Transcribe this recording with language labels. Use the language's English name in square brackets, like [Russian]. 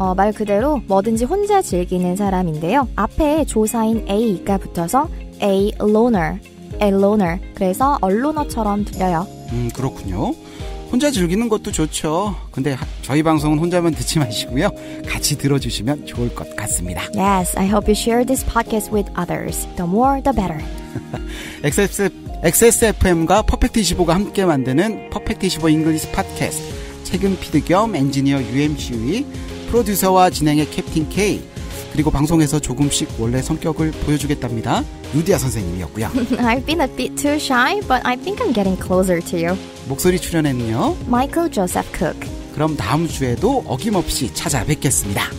[Korean] 말 그대로 뭐든지 혼자 즐기는 사람인데요. 앞에 조사인 A가 붙어서 [English] A loner, A loner. [Korean] 그래서 얼로너처럼 들려요. 그렇군요. 혼자 즐기는 것도 좋죠. 근데 저희 방송은 혼자만 듣지 마시고요. 같이 들어주시면 좋을 것 같습니다. [English] Yes, I hope you share this podcast with others. The more, the better. [Korean] XSFM과 퍼펙트25가 함께 만드는 퍼펙트25 English Podcast. 책임 피드 겸 엔지니어 UMCU의 프로듀서와 진행의 캡틴 K 그리고 방송에서 조금씩 원래 성격을 보여주겠답니다. 유디아 선생님이었고요. [English] I've been a bit too shy, but I think I'm getting closer to you. [Korean] 목소리 출연에는요. Michael Joseph Cook. 그럼 다음 주에도 어김없이 찾아뵙겠습니다.